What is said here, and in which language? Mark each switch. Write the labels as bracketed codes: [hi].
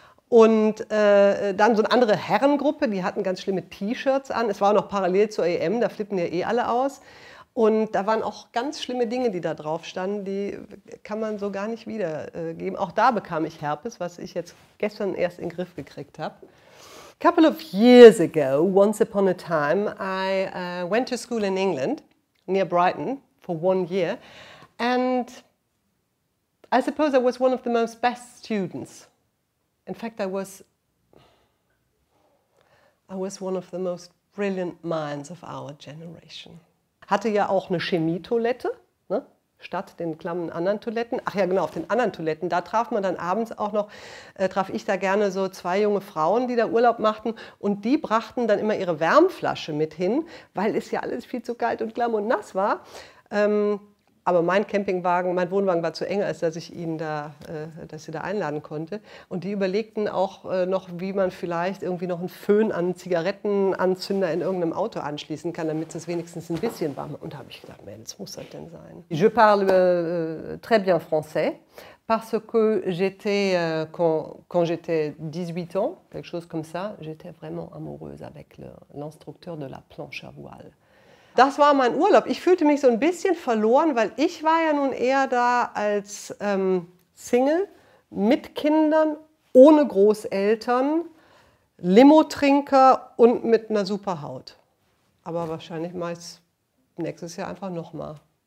[de] Und dann so eine andere Herrengruppe, die hatten ganz schlimme T-Shirts an. Es war auch noch parallel zur EM, da flippen ja eh alle aus. Und da waren auch ganz schlimme Dinge, die da drauf standen, die kann man so gar nicht wiedergeben. Auch da bekam ich Herpes, was ich jetzt gestern erst in den Griff gekriegt habe. [en] Couple of years ago, once upon a time, I went to school in England, near Brighton, for 1 year, and I suppose I was one of the most best students. In fact, I was one of the most brilliant minds of our generation. [de] Hatte ja auch eine Chemietoilette, ne? Statt den klammen anderen Toiletten. Ach ja, genau, auf den anderen Toiletten. Da traf man dann abends auch noch, traf ich da gerne so zwei junge Frauen, die da Urlaub machten. Und die brachten dann immer ihre Wärmflasche mit hin, weil es ja alles viel zu kalt und klamm und nass war. Aber mein Wohnwagen war zu eng, als dass ich ihn da, dass sie da einladen konnte. Und die überlegten auch noch, wie man vielleicht irgendwie noch einen Föhn an einen Zigarettenanzünder in irgendeinem Auto anschließen kann, damit es wenigstens ein bisschen warm ist. Und da habe ich gedacht, Mensch, muss das denn sein? [fr] Je parle très bien français, parce que quand j'étais 18 ans, quelque chose comme ça, j'étais vraiment amoureuse avec l'instructeur de la planche à voile. [de] Das war mein Urlaub. Ich fühlte mich so ein bisschen verloren, weil ich war ja nun eher da als Single mit Kindern, ohne Großeltern, Limo-Trinker und mit einer super Haut. Aber wahrscheinlich mache ich es nächstes Jahr einfach nochmal.